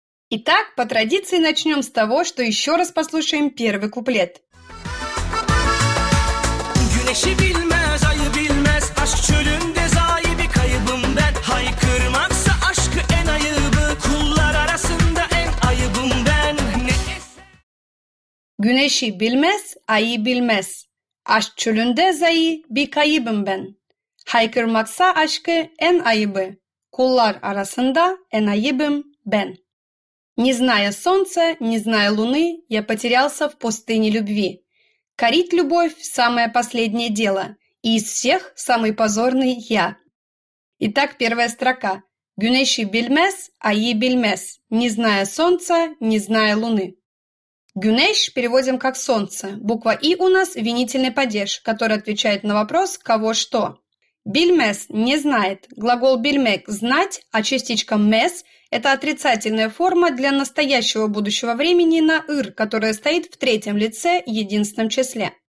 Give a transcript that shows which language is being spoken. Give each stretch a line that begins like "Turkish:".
Russian: Итак, по традиции начнем с того, что еще раз послушаем первый куплет.
Turkish: Güneşi bilmez, ayı bilmez, aşk çölünde zahibi kaybım ben. Haykırmaksa aşkı en ayıbı, kullar arasında en ayıbım ben. Güneşi bilmez, ayı bilmez, aşk çölünde zahibi kaybım ben. Haykırmaksa aşkı en ayıbı, kullar arasında en ayıbım ben.
Russian: Не зная солнца, не зная луны, я потерялся в пустыне любви. Корить любовь – самое последнее дело, и из всех самый позорный я. Итак, первая строка.
Turkish: Güneşi bilmez, ayı bilmez.
Russian: Не зная солнца, не зная луны. Güneş переводим как солнце. Буква И у нас – винительный падеж, который отвечает на вопрос «кого что?». Bilmez – не знает. Глагол bilmek – знать, а частичка mez – это отрицательная форма для настоящего будущего времени на ir, которая стоит в третьем лице, единственном числе.